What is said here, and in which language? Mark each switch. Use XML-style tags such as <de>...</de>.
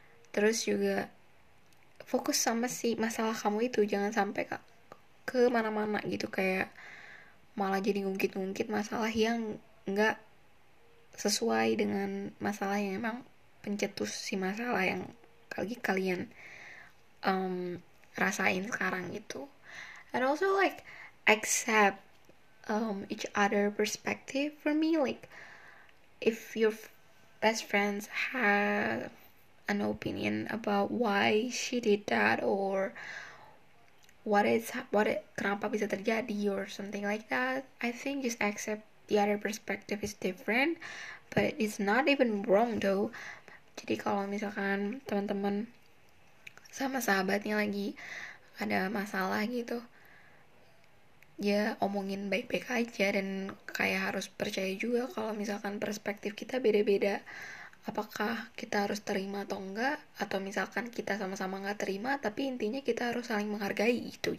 <id>Terus juga fokus sama si masalah kamu itu, jangan sampai ke mana-mana gitu, kayak malah jadi ngungkit-ngungkit masalah yang nggak sesuai dengan masalah yang emang pencetus si masalah yang lagi kalian rasain sekarang gitu.</id> <en>And also like accept each other perspective. For me, like if your best friends have an opinion about why she did that, or</en> <id>kenapa bisa terjadi,</id> <en>or something like that, I think just accept the other perspective is different, but it's not even wrong though.</en> <id>Jadi kalau misalkan teman-teman sama sahabatnya lagi ada masalah gitu, ya omongin baik-baik aja, dan kayak harus percaya juga kalau misalkan perspektif kita beda-beda, apakah kita harus terima atau enggak, atau misalkan kita sama-sama enggak terima, tapi intinya kita harus saling menghargai gitu.</id>